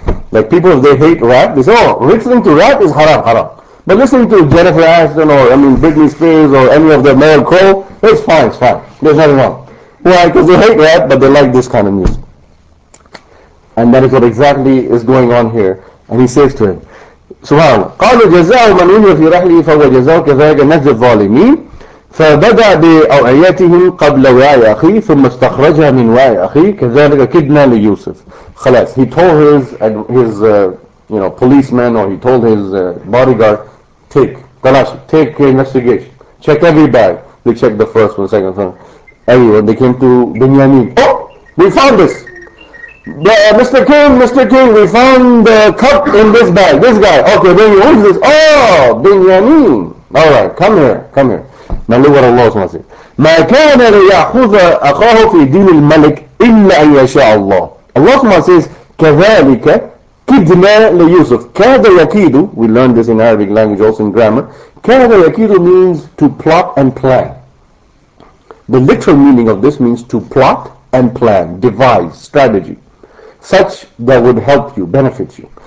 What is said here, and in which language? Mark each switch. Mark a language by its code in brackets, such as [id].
[en] Like people, if they hate rap, they say, oh, listening to rap is haram, haram. But listening to Jennifer Aniston or Britney Spears or any of the Meryl Crow, it's fine. There's nothing wrong. Why? Because they hate rap, but they like this kind of music. And that is what exactly is going on here. And he says to him, Subhanallah, [ar] قَالُوا جَزَاءُ مَنْ أُوْلِيَ فِي رَحْلِهِ فَهُوَ جَزَاءُ كَذَلِكَ نَجْزِي الظَّالِمِينَ فَبَدَى بِأَوْعِيَتِهِمْ قَبْلَ وِعَاءِ أَخِيهِ ثُمَّ اسْتَخْرَجَهَا مِنْ وِعَاءِ أَخِيهِ كَذَلِكَ كِدْنَا لِيُوسُفَ. خلاص. [en] He told his policeman, or he told his bodyguard, take your investigation. Check every bag. They checked the first one, second one. Everyone, they came to Binyamin. Oh, we found this. Mr. King, we found the cup in this bag. This guy. Okay, then you use this. Oh, Binyamin. All right, come here. Now look what Allah wants to say. [ar] مَا كَانَ لِيَأْخُذَ أَخَاهُ فِي دِينِ الْمَلِكِ إِلَّا أَنْ يَشَاءَ اللَّهُ. [en] Allah says, [ar] كَذَلِكَ كِدْنَا لِيُوسُفْ. [en] كَادَ يَكِيدُ, we learned this in Arabic language, also in grammar. كَادَ يَكِيدُ means to plot and plan. The literal meaning of this means to plot and plan, devise, strategy, such that would help you, benefit you.